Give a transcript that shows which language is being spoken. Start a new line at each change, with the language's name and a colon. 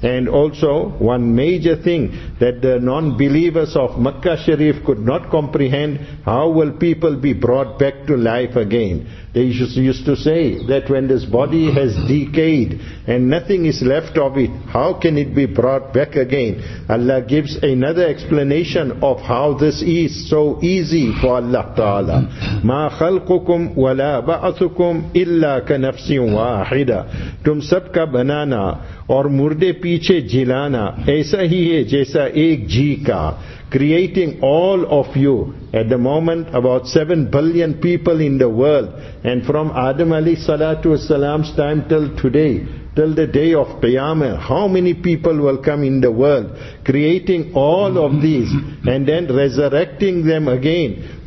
English: And also, one major thing that the non-believers of Makkah Sharif could not comprehend, how will people be brought back to life again? They used to say that when this body has decayed and nothing is left of it, how can it be brought back again? Allah gives another explanation of how this is so easy for Allah Ta'ala.
Arabic: مَا خَلْقُكُمْ وَلَا بَعْثُكُمْ إِلَّا كَنَفْسٍ وَاحِدَةٍ
Urdu: تم سب کا بنانا اور مردے پیچھے جلانا ایسا ہی ہے جیسا ایک جی کا.
English: Creating all of you, at the moment about 7 billion people in the world, and from Adam alayhi salatu wasalam's time till today, till the day of Qiyamah, how many people will come in the world? Creating all of these and then resurrecting them again.